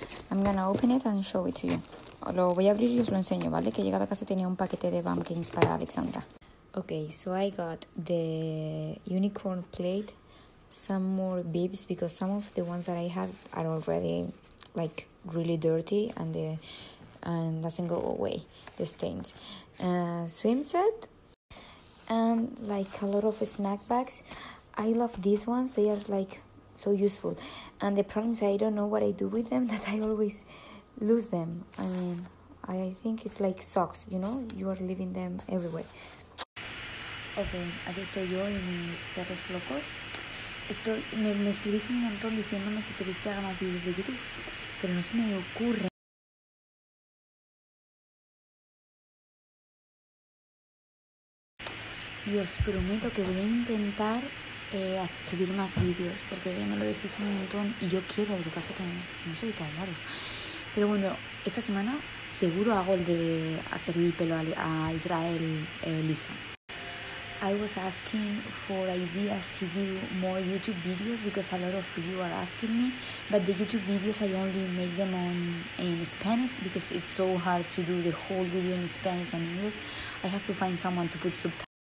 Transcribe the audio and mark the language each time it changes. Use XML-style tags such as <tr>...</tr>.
<en>I'm gonna open it and show it to you.</en> <es>Lo voy a abrir y os lo enseño, ¿vale? Que he llegado a casa y tenía un paquete de Bam Kings para Alexandra.</es> <en>Okay, so I got the unicorn plate, some more bibs because some of the ones that I had are already like really dirty and doesn't go away, the stains. Swim set. And like a lot of snack bags. I love these ones, they are like so useful. And the problem is I don't know what I do with them, that I always lose them. I mean, I think it's like socks, you know, you are leaving them everywhere.</en> <es>Okay, aquí estoy yo y mis perros locos. Me escribís un montón diciéndome que queréis que haga más videos de YouTube, pero no se me ocurre. Y os prometo que voy a intentar subir más vídeos, porque me lo decís un montón y yo quiero, lo que pasa que no sé qué hablar. Pero bueno, esta semana seguro hago el de hacer mi pelo a Israel liso.</es> <en>I was asking for ideas to do more YouTube videos because a lot of you are asking me, but the YouTube videos I only make them in Spanish because it's so hard to do the whole video in Spanish and English. I have to find someone to put subtitles.</en>